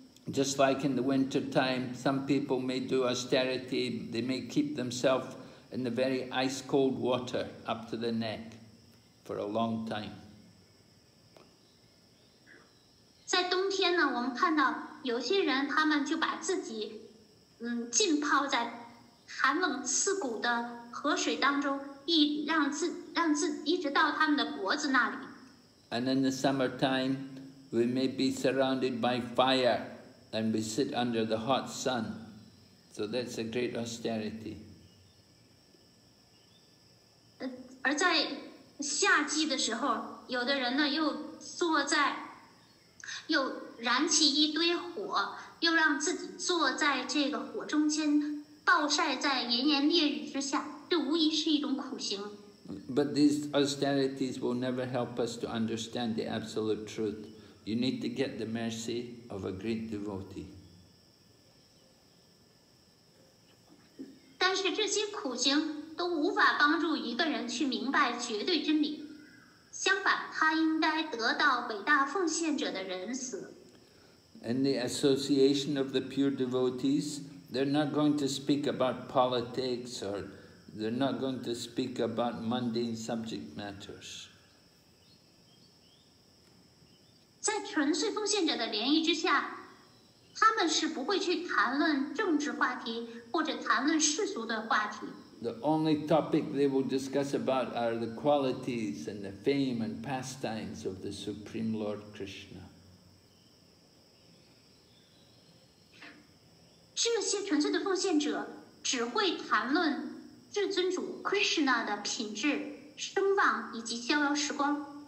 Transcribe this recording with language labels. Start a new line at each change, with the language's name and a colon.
English: Just like in the winter time, some people may do austerity, they may keep themselves in the very ice cold water up to the neck for a long time.
Chinese: 在冬天呢，我们看到有些人，他们就把自己，浸泡在寒冷刺骨的河水当中，一直到他们的脖子那里。
English: And in the summertime, we may be surrounded by fire, and we sit under the hot sun, so that's a great austerity.
Chinese: 而在夏季的时候，有的人呢又坐在。又燃起一堆火，又让自己坐在这个火中间，暴晒在炎炎烈日之下，这无疑是一种苦行。
English: But these austerities will never help us to understand the absolute truth. You need to get the mercy of a great devotee.
Chinese: 但是这些苦行都无法帮助一个人去明白绝对真理。相反，他应该得到伟大奉献者的仁慈。
English: In the association of the pure devotees, they're not going to speak about politics or they're not going to speak about mundane subject matters.
Chinese: 在纯粹奉献者的联谊之下，他们是不会去谈论政治话题或者谈论世俗的话题。
English: the only topic they will discuss about are the qualities and the fame and pastimes of the Supreme Lord Krishna.
Chinese: 这些纯粹的奉献者只会谈论至尊主 Krishna 的品质、声望以及逍遥时光。